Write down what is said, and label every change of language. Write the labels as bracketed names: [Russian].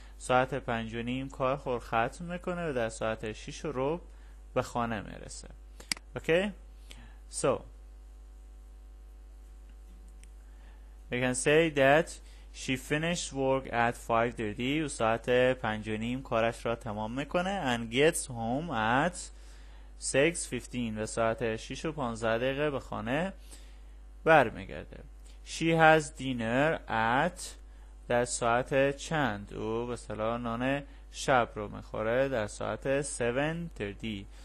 [Persian] ساعت 5:30 کار خور ختم میکنه و در ساعت 6:15 به خانه میرسه. [English] Okay, so you can say that she finished work at 5:30. [Persian] او ساعت 5:30 کارش را تمام میکنه. [English] And gets home at 6:15. [Persian] و ساعت 6:15 دقیقه به خانه برمیگرده. [English] She has dinner at [Persian] در ساعت چند؟ او به اصطلاح نان شب رو میخوره در ساعت 7:30.